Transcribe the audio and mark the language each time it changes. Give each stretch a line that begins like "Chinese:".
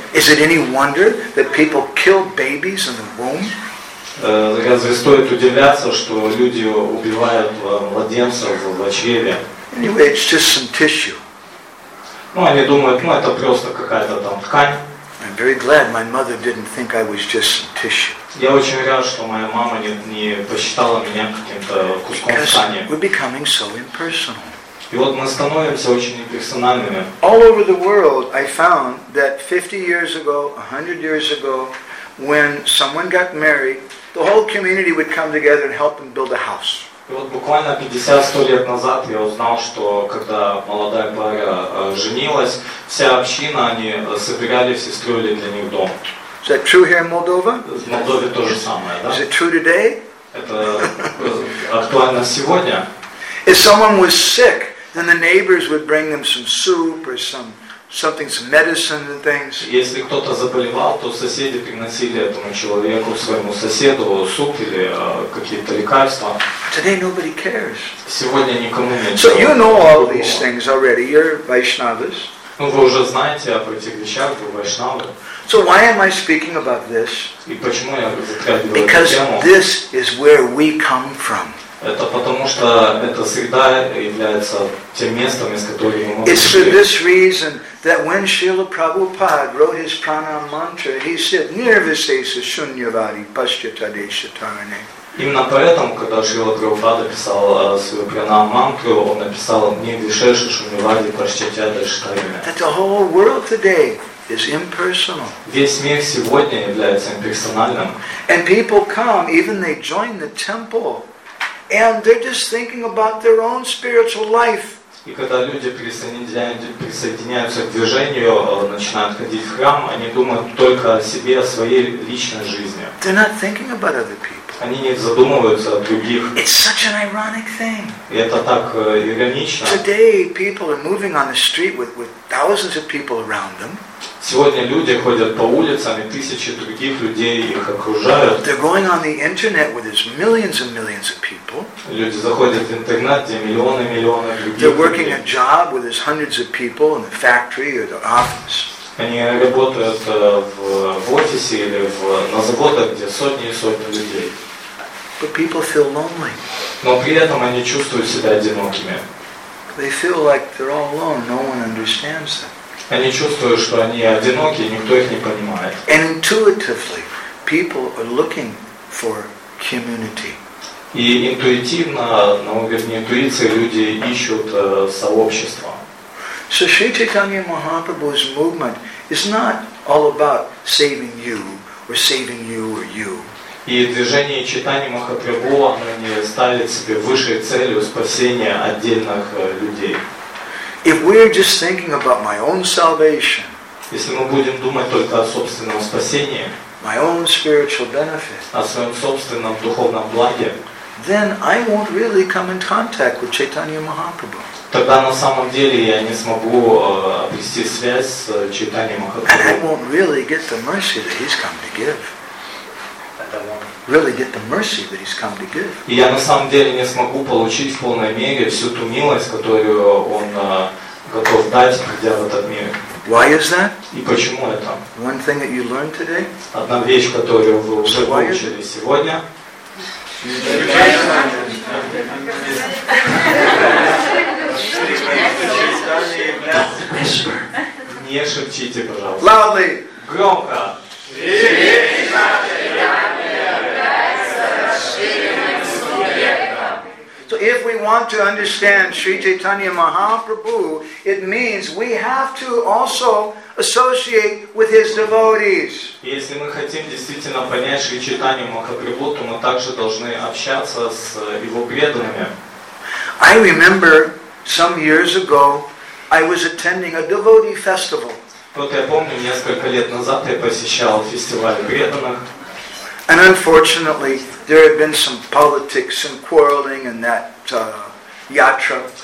English: Is it any wonder that people kill babies in the womb?
Russian: Разве стоит удивляться, что люди убивают младенцев в чреве?
English: Anyway, it's just some tissue.
Russian: Ну, они думают, ну это просто какая-то там ткань.
English: I'm very glad my mother didn't think I was just some tissue.
Russian: Я очень рад, что моя мама не посчитала меня каким-то куском ткани.
English: We're becoming so impersonal.
Russian: И вот мы становимся очень неперсональными.
English: All over the world, I found that 50 years ago, 100 years ago, when someone got married, the whole community would come together and help them build a house.
Russian: И вот буквально 50-100 лет назад я узнал, что когда молодая пара женилась, вся община, они собирались и строили для них дом.
English: Is that true here in Moldova?
Russian: В Молдове то же самое, да?
English: Is it true today?
Russian: Это актуально сегодня?
English: If someone was sick, then the neighbors would bring them some soup or something, some medicine and things.
Russian: Если кто-то заболевал, то соседи приносили этому человеку, своему соседу, суп или какие-то лекарства.
English: Today nobody cares.
Russian: Сегодня никому нет.
English: So you know all these things already. You're Vaishnavas.
Russian: Ну, вы уже знаете об этих вещах, вы Вайшнавы.
English: So why am I speaking about this?
Russian: И почему я затрагиваю эту тему?
English: Because this is where we come from.
Russian: Это потому, что эта среда является тем местом, из которого мы можем прийти.
English: It's for this reason that when Srila Prabhupada wrote his pranam mantra, he said, Nirvisesa Shunyavadi Paschatadesha Tarane.
Russian: Именно поэтому, когда Шрила Прабхупада писал свою пранам мантру, он написал Нирвишеша Шунивади Паштатадеша Таране.
English: That the whole world today is impersonal.
Russian: Весь мир сегодня является имперсональным.
English: And people come, even they join the temple, and they're just thinking about their own spiritual life.
Russian: И когда люди присоединяются к движению, начинают ходить в храм, они думают только о себе, о своей личной жизни.
English: They're not thinking about other people.
Russian: Они не задумываются о других.
English: It's such an ironic thing.
Russian: И это так иронично.
English: Today people are moving on the street with thousands of people around them.
Russian: Сегодня люди ходят по улицам, и тысячи других людей их окружают.
English: They're going on the internet where there's millions and millions of people.
Russian: Люди заходят в интернет, где миллионы и миллионы других людей.
English: They're working a job where there's hundreds of people in the factory or the office.
Russian: Они работают в офисе или на заводах, где сотни и сотни людей.
English: But people feel lonely.
Russian: Но при этом они чувствуют себя одинокими.
English: They feel like they're all alone, no one understands them.
Russian: Они чувствуют, что они одиноки, никто их не понимает.
English: And intuitively, people are looking for community.
Russian: И интуитивно, на уровне интуиции, люди ищут сообщество.
English: So Sri Chaitanya Mahaprabhu's movement is not all about saving you or saving you or you.
Russian: И движение Чайтаньи Махапрабху, оно не ставит себе высшей целью спасения отдельных людей.
English: If we're just thinking about my own salvation,
Russian: если мы будем думать только о собственном спасении,
English: my own spiritual benefit,
Russian: о своем собственном духовном благе,
English: then I won't really come in contact with Chaitanya Mahaprabhu.
Russian: Тогда на самом деле я не смогу обрести связь с Чайтаньей Махапрабху.
English: And I won't really get the mercy that he's come to give.
Russian: И я на самом деле не смогу получить в полной мере всю ту милость, которую он готов дать, придя в этот мир.
English: Why is that?
Russian: И почему это?
English: One thing that you learned today?
Russian: Одна вещь, которую вы уже выучили сегодня. Не шепчите, пожалуйста. Громко.
English: So if we want to understand Sri Chaitanya Mahaprabhu, it means we have to also associate with his devotees.
Russian: Если мы хотим действительно понять Шри Чайтанью Махапрабху, то мы также должны общаться с его преданными.
English: I remember some years ago I was attending a devotee festival.
Russian: Вот я помню, несколько лет назад я посещал фестиваль преданных.
English: And unfortunately, there had been some politics and quarreling in that yatra.